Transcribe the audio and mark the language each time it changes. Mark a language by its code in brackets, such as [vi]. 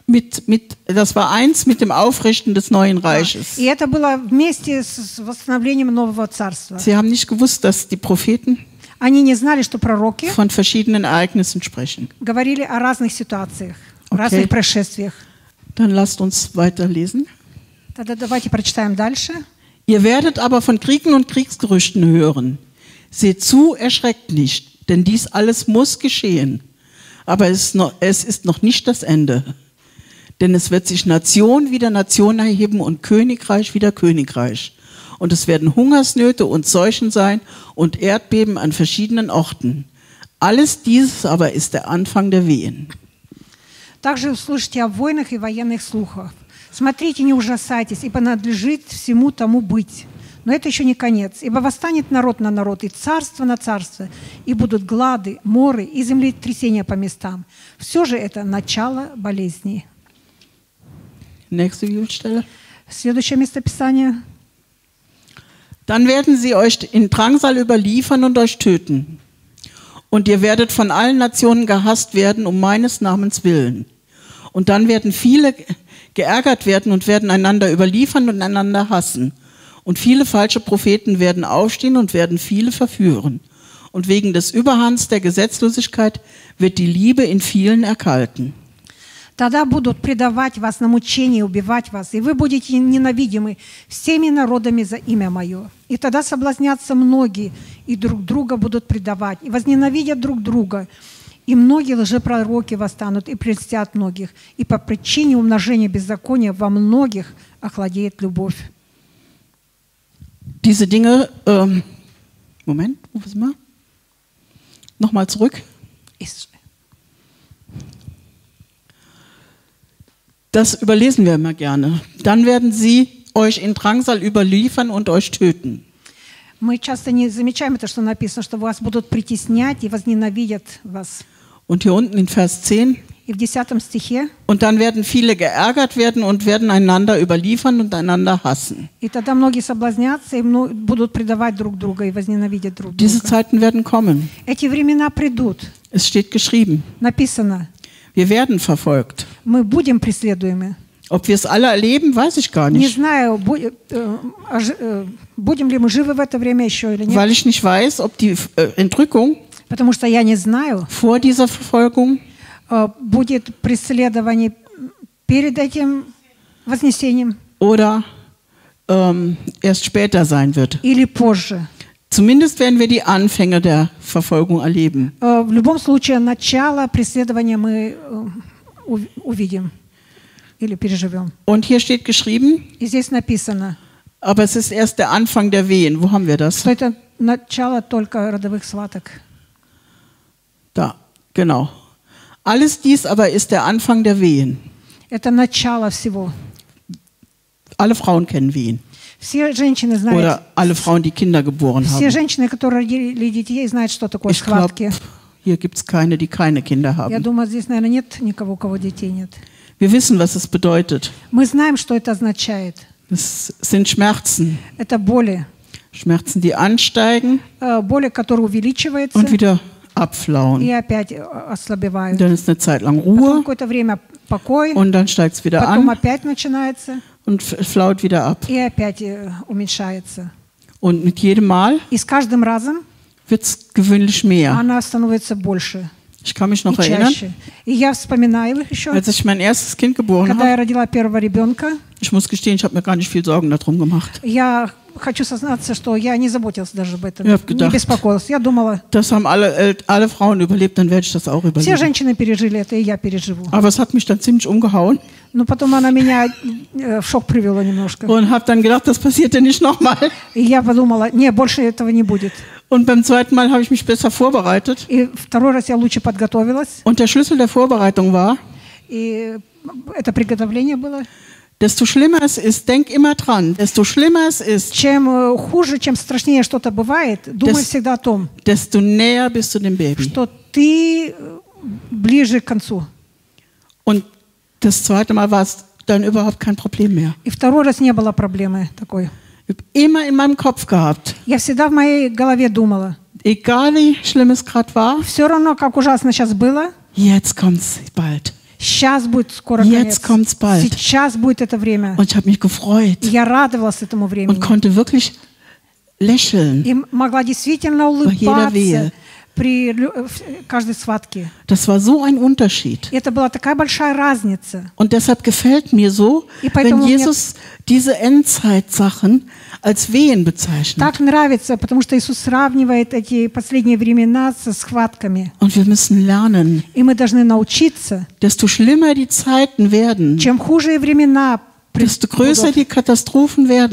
[de] Mit, das war eins mit dem Aufrichten des Neuen Reiches. [ru] И это было вместе с восстановлением нового царства. [de] Sie haben nicht gewusst, dass die Propheten [ru] они не знали, что пророки [de] von verschiedenen Ereignissen sprechen. [ru] Говорили о разных ситуациях, okay. Разных происшествиях. [de] Dann lasst uns weiterlesen. [ru] Тогда давайте прочитаем дальше. [de] Ihr werdet aber von Kriegen und Kriegsgerüchten hören. Seht zu, erschreckt nicht, denn dies alles muss geschehen. Aber es ist noch nicht das Ende. Denn es wird sich Nation wieder Nation erheben und Königreich wieder Königreich. Und es werden Hungersnöte und Seuchen sein und Erdbeben an verschiedenen Orten. Alles dieses aber ist der Anfang der Wehen. [ru] Также услышите о войнах и военных слухах. Смотрите, не ужасайтесь, ибо надлежит всему тому быть. Но это еще не конец. Ибо восстанет народ на народ, и царство на царство, и будут глады, моры и землетрясения по местам. Все же это начало болезни. [de] Nächste Bibelstelle. [ru] Следующее местописание. [de] Dann werden sie euch in Drangsal überliefern und euch töten. Und ihr werdet von allen Nationen gehasst werden um meines Namens willen. Und dann werden viele geärgert werden und werden einander überliefern und einander hassen. Und viele falsche Propheten werden aufstehen und werden viele verführen. Und wegen des Überhangs der Gesetzlosigkeit wird die Liebe in vielen erkalten. [ru] Тогда будут предавать вас на мучения, убивать вас, и вы будете ненавидимы всеми народами за имя Мое. И тогда соблазнятся многие, и друг друга будут предавать, и возненавидят друг друга. И многие лжепророки восстанут и прельстят многих, и по причине умножения беззакония во многих охладеет любовь. [de] Diese Dinge, Moment, ruf es mal. Nochmal zurück. Das überlesen wir immer gerne. Dann werden sie euch in Drangsal überliefern und euch töten. [ru] Мы часто не замечаем это, что написано, что вас будут притеснять и возненавидят вас. [de] Und hier unten in Vers 10. [ru] И в 10 стихе. [de] Und dann werden viele geärgert werden und werden einander überliefern und einander hassen. [ru] И тогда многие соблазнятся и будут предавать друг друга и возненавидят друг друга. [de] Diese Zeiten werden kommen. [ru] Эти времена придут. [de] Es steht geschrieben. [ru] Написано. [de] Wir werden verfolgt. [ru] Мы будем преследуемы. [de] Ob wir es alle erleben, weiß ich gar nicht. [ru] Не знаю, будем ли мы живы в это время еще или нет. [de] Weil ich nicht weiß, ob die Entrückung. [ru] Потому что я не знаю. [de] Vor dieser Verfolgung. [ru] Будет преследование перед этим вознесением. [de] Oder erst später sein wird. [ru] Или позже. [de] Zumindest werden wir die Anfänge der Verfolgung erleben. [ru] В любом случае начало преследования мы увидим или переживем. [de] Und hier steht geschrieben. [ru] И здесь написано. [de] Aber es ist erst der Anfang der Wehen. Wo haben wir das? [ru] Это начало только родовых схваток. [de] Da, genau. Alles dies aber ist der Anfang der Wehen. [ru] Это начало всего. [de] Alle Frauen kennen Wehen. [ru] Все женщины знают. [de] Oder alle Frauen, die Kinder geboren [ru] все [de] haben. [ru] Все женщины, которые родили детей, знают, что такое схватки. [de] Hier gibt's keine, die keine Kinder haben. [ru] Я думаю, здесь, наверное, нет никого, у кого детей нет. [de] Wir wissen, was es bedeutet. [ru] Мы знаем, что это означает. [de] Es sind Schmerzen. [ru] Это боли. [de] Schmerzen, die ansteigen. [ru] Боли, которые увеличиваются. [de] Und wieder abflauen. [ru] И опять ослабевают. [de] Dann ist eine Zeit lang Ruhe. [ru] Потом какое-то время покой. [de] Und dann steigt's wieder [ru] потом Потом опять начинается. [de] Und flaut wieder ab. [ru] И опять уменьшается. [de] Und mit jedem Mal. [ru] И с каждым разом. [de] Wird's gewöhnlich mehr. [ru] Она становится больше. [de] Ich kann mich noch erinnern. [ru] И я вспоминаю еще. [de] Als ich mein erstes Kind geboren [ru] когда я родила первого ребенка. [de] Ich muss gestehen, ich habe mir gar nicht viel Sorgen darum gemacht. [ru] Я хочу сознаться, что я не заботилась даже об этом. [de] Ich hab gedacht, [ru] не беспокоилась. Я думала. [de] Das haben alle Frauen überlebt, dann werde ich das auch überleben. [ru] Все женщины пережили это, и я переживу. [de] Aber es hat mich dann ziemlich umgehauen. [ru] Но потом она меня в шок привела немножко. [de] Und hab dann gedacht, das passiert ja nicht nochmal. [ru] И я подумала, не, больше этого не будет. [de] Und beim zweiten Mal habe ich mich besser vorbereitet. [ru] И второй раз я лучше подготовилась. [de] Und der Schlüssel der Vorbereitung war. [ru] И это приготовление было. [de] Desto schlimmer es ist, denk immer dran. Desto schlimmer es ist. [ru] Чем хуже, чем страшнее что-то бывает, думай всегда о том. [de] Desto näher bist du dem Baby. [ru] Что ты ближе к концу. [de] Und das zweite Mal war es dann überhaupt kein Problem mehr. [ru] И второй раз не было проблемы такой. [de] Ich habe immer in meinem Kopf gehabt. [ru] Я всегда в моей голове думала. [de] Egal wie schlimm es gerade war. [ru] Все равно как ужасно сейчас было. [de] Jetzt kommt's bald. [ru] Сейчас будет скоро [de] jetzt [ru] конец. [de] Kommt's bald. [ru] Сейчас будет это время. [de] Und ich habe mich gefreut. [ru] Я радовалась этому времени. [de] Und konnte wirklich lächeln. [ru] И могла действительно улыбаться при каждой схватке. [de] Das war so ein Unterschied. [ru] Это была такая большая разница. [de] Und deshalb gefällt mir so, wenn Jesus diese Endzeitsachen als Wehen bezeichnet. [ru] Так нравится, потому что Иисус сравнивает эти последние времена со схватками. [de] Und wir müssen lernen. [ru] И мы должны научиться. [de] Desto schlimmer die Zeiten werden. [ru] Чем хуже времена. [de] Desto größer die Katastrophen werden.